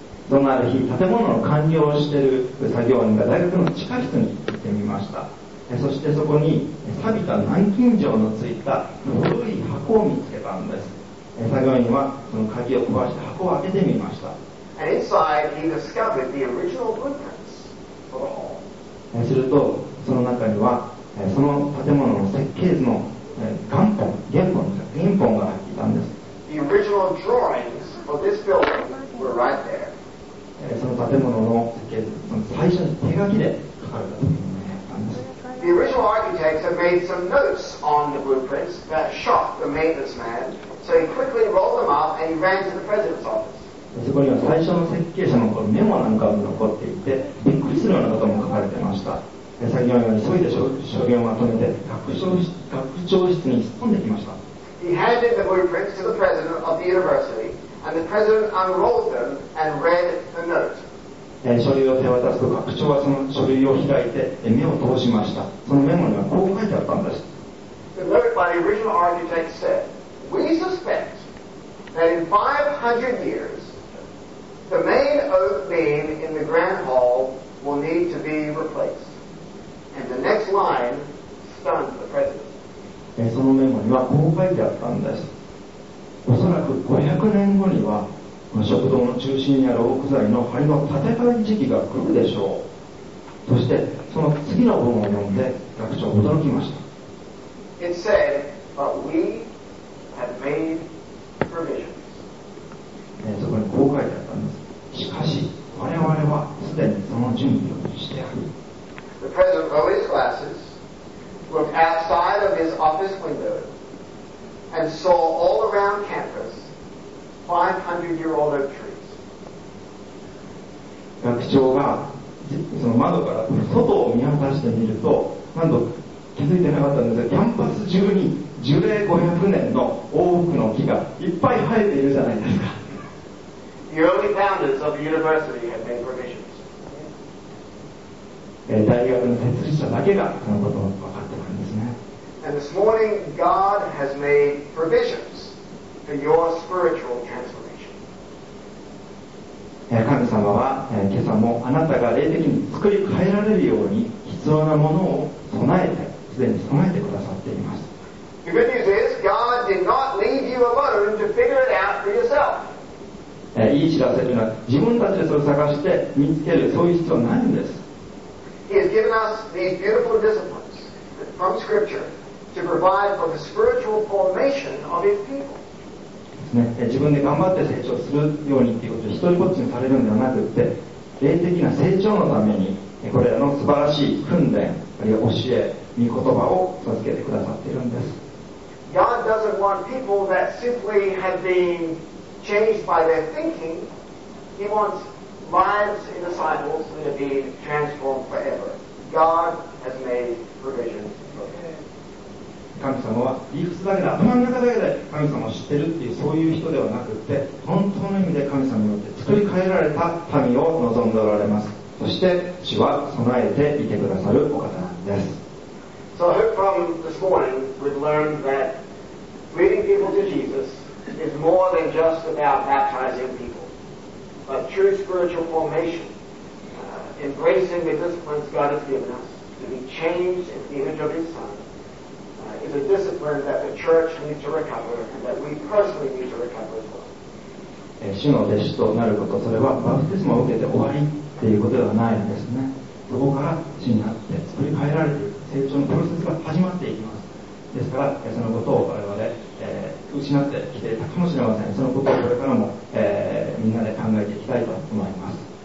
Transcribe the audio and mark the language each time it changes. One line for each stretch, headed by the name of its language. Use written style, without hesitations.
Japanese: どのある日、建物の管理をしている作業員が大学の地下室に行ってみました。そしてそこに錆びた南京錠のついた古い箱を見つけたんです。作業員はその鍵を壊して箱を開けてみました。
English: And inside, he discovered the original blueprints for the hall.
Japanese: すると、その中には、その建物の設計図の元本、原本が入っていたんです。
English: The original drawings for this building were right there.
Japanese: その建物の設計図、その最初に手書きで書かれたというものがあったんです。
English: The original architect had made some notes on the blueprints that shocked the maintenance man, so he quickly rolled them up and he ran to the president's office.
Japanese: そこには最初の設計者のメモなんかも残っていて、びっくりするようなことも書かれていました。作業員は急いで書類をまとめて学長室に突っ込んできました。
English: He handed the blueprints to the president of the university, and the president unrolled them and read the note.
Japanese: 書類を手渡すと学長はその書類を開いて目を通しました。そのメモにはこう書いてあったんです。
English: learned by the original architect said, we suspect that in 500 years, the main oak beam in the Grand Hall will need to be replaced. And the next line stunned the president.
Japanese: そのメモにはこう書いてあったんです。おそらく500年後には、この食堂の中心にある木材の梁の建て替え時期が来るでしょう。そして、その次の本を読んで、学長は驚きました。
English: It said, but we have made provisions.
Japanese: そこにこう書いてあったんです。しかし、我々はすでにその準備をしてある。
English: The president lowered his glasses, looked outside of his office window, and saw all around campus 500-year-old oak trees.
Japanese: 学長がその窓から外を見渡してみると、なんと気づいてなかったんですが、キャンパス中に樹齢500年のオークの木がいっぱい生えているじゃないですか。
English: The early founders of the university had made provisions.
Japanese: 大学の設立者だけがこのことを分かってたんですね。
English: And this morning God has made provisions for your spiritual transformation.
Japanese: 神様は今朝もあなたが霊的に作り変えられるように必要なものを備えて、すでに備えてくださっています。
English: The good news is God did not leave you alone to figure it out for yourself.
Japanese: いい知らせというのは、自分たちでそれを探して見つける、そういう必要はないんです。
English: He has given us these beautiful disciplines from scripture to provide for the spiritual formation of his people.
Japanese: 自分で頑張って成長するようにということで、一人ぼっちにされるのではなくて、霊的な成長のためにこれらの素晴らしい訓練、あるいは教え、御言葉を授けてくださっているんです。
English: God doesn't want people that simply have been changed by their thinking. He wants lives in disciples that have been transformed forever. God has made provision for them.
Japanese: 神様は理屈だけで、頭の中だけで神様を知ってるっていう、そういう人ではなくて、本当の意味で神様によって作り変えられた民を望んでおられます。そして主は備えていてくださるお方なんです。
English: So I hope from this morning we've learned that leading people to Jesus is more than just about baptizing people, but true spiritual formation, embracing the disciplines God has given us to be changed in the image of His Sonis a discipline that the church needs to recover and that we personally need to recover as well.
Japanese: 主の弟子となること、それはバプテスマを受けて終わりっていうことではないんですね。そこから主になって作り変えられていく、成長のプロセスが始まっていきます。ですから、そのことを我々、失ってきていたかもしれません。そのことをこれからも、みんなで考えていきたいと思います。